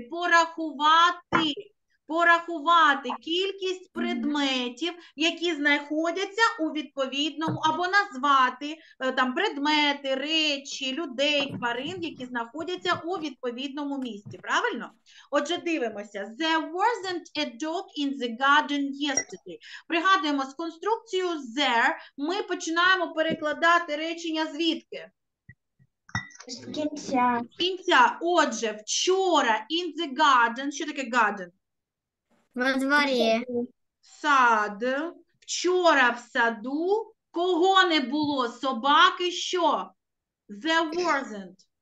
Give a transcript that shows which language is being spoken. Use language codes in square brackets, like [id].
[uk] Порахувати. Порахувати кількість предметів, які знаходяться у відповідному, або назвати там предмети, речі, людей, тварин, які знаходяться у відповідному місці. Правильно? Отже, дивимося. [en] There wasn't a dog in the garden yesterday. [uk] Пригадуємо, з конструкцією there ми починаємо перекладати речення звідки? З кінця. З кінця. Отже, вчора [en] in the garden. [uk] Що таке garden? Во дворі. Сад. Вчора в саду кого не було? Собаки що? [en] There wasn't.